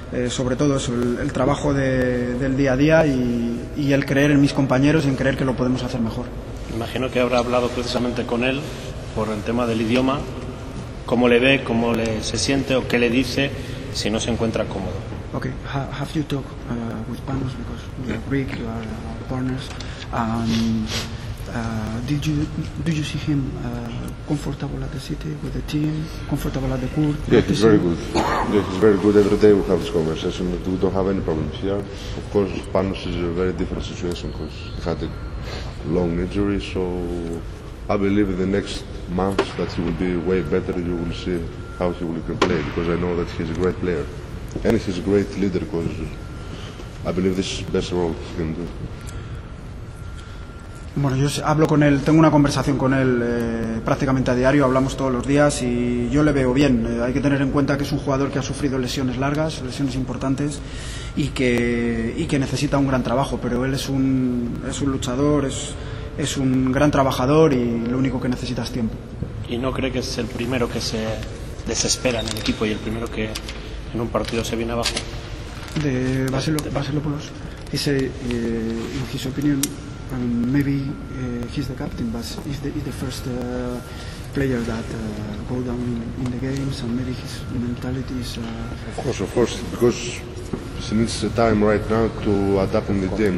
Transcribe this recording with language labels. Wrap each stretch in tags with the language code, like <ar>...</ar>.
<es>Sobre todo eso, el trabajo del día a día y el creer en mis compañeros y en creer que lo podemos hacer mejor. Imagino que habrá hablado precisamente con él por el tema del idioma. ¿Cómo le ve, cómo le se siente o qué le dice si no se encuentra cómodo?</es> <en>Okay, have you talked with Panos because you are Greek, you are partners, and do you see him comfortable at the city with the team, comfortable at the court? Yeah, he's very good. Yeah, he's very good. Every day we have this conversation. We don't have any problems here. Of course, Panos is a very different situation because he had a long injury, so I believe in the next months that he will be way better. You will see how he will play because I know that he's a great player and he's a great leader because I believe this is the best role he can do.</en> <es>Bueno, yo hablo con él, tengo una conversación con él prácticamente a diario, hablamos todos los días y yo le veo bien. Hay que tener en cuenta que es un jugador que ha sufrido lesiones largas, lesiones importantes y que necesita un gran trabajo, pero él es un luchador, es un gran trabajador y lo único que necesita es tiempo. ¿Y no cree que es el primero que se desespera en el equipo y el primero que en un partido se viene abajo? De Vasilopoulos, dice, en su opinión,</es> <en>maybe he's the captain, but he's the first player that go down in the games, and maybe his mentality is. Of course, because he needs the time right now to adapt in the game.</en>